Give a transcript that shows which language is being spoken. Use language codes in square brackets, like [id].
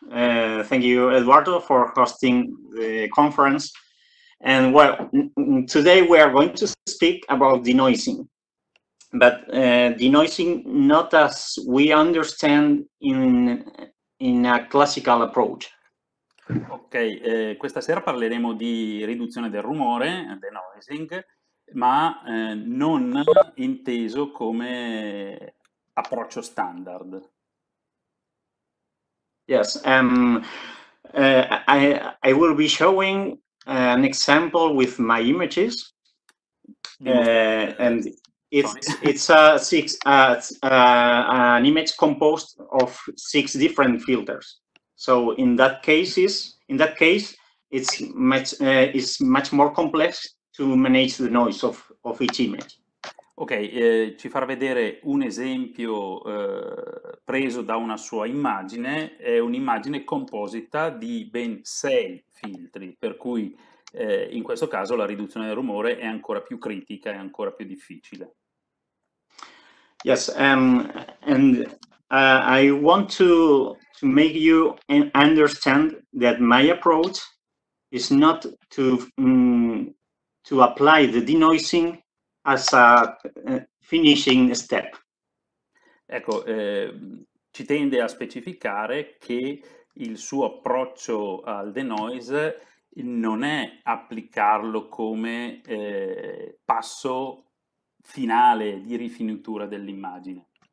[en] Thank you, Eduardo, for hosting the conference. And well, today we are going to speak about denoising, but denoising not as we understand in a classical approach. [it] Ok, questa sera parleremo di riduzione del rumore, denoising, ma non inteso come approccio standard. [en] Yes, I will be showing an example with my images. And it's an image composed of six different filters. So in that case, it's much more complex to manage the noise of each image. [it] Ok, ci farà vedere un esempio preso da una sua immagine. È un'immagine composita di ben sei filtri, per cui in questo caso la riduzione del rumore è ancora più critica, è ancora più difficile. [en] Yes, I want to make you understand that my approach is not to apply the denoising as a finishing step. [it] Ecco, ci tende a specificare che il suo approccio al denoise non è applicarlo come passo finale di rifinitura dell'immagine.